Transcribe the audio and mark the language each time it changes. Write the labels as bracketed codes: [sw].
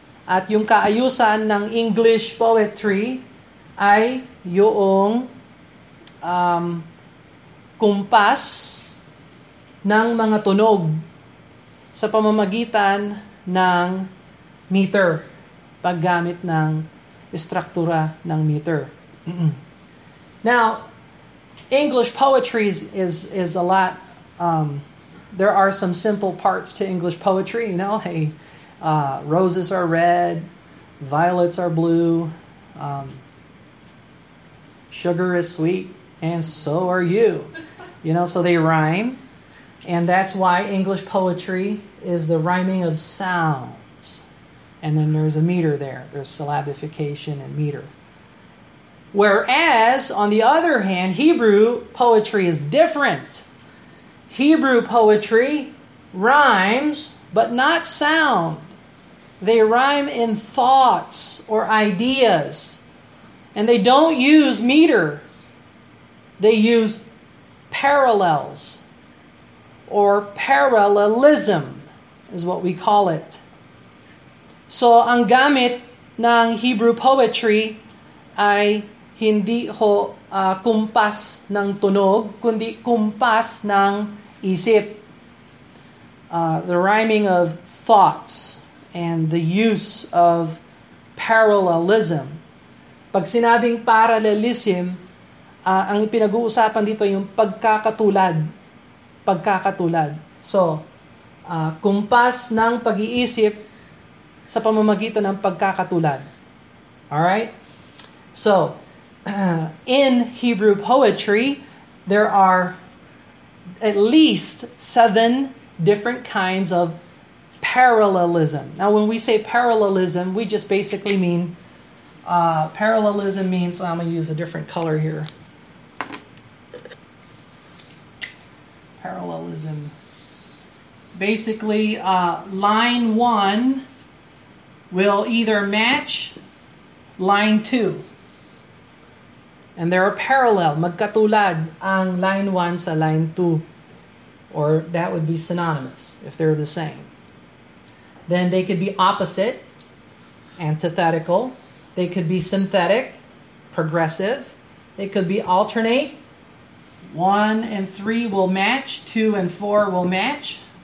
[tl] At yung kaayusan ng English poetry ay yung kumpas ng mga tunog sa pamamagitan ng meter, paggamit ng istruktura ng meter. [en] Now, English poetry is a lot, there are some simple parts to English poetry, you know, hey, roses are red, violets are blue, sugar is sweet, and so are you. You know, so they rhyme, and that's why English poetry is the rhyming of sounds. And then there's a meter there, there's syllabification and meter. Whereas, on the other hand, Hebrew poetry is different. Hebrew poetry rhymes, but not sound. They rhyme in thoughts or ideas. And they don't use meter. They use parallels. Or parallelism is what we call it. [tl] So, ang gamit ng Hebrew poetry ay hindi ho kumpas ng tunog, kundi kumpas ng isip. [en] The rhyming of thoughts and the use of parallelism. [tl] Pag sinabing parallelism, ang pinag-uusapan dito yung pagkakatulad. Pagkakatulad. So, kumpas ng pag-iisip sa pamamagitan ng pagkakatulad. [en] Alright? So, in Hebrew poetry, there are at least 7 different kinds of parallelism. Now, when we say parallelism, we just basically mean, parallelism means, I'm going to use a different color here. Parallelism. Basically, line 1 will either match line 2. And there are parallel, [tl] magkatulad ang [en] line 1 sa line 2. Or that would be synonymous if they're the same. Then they could be opposite, antithetical. They could be synthetic, progressive. They could be alternate. 1 and 3 will match. 2 and 4 will match.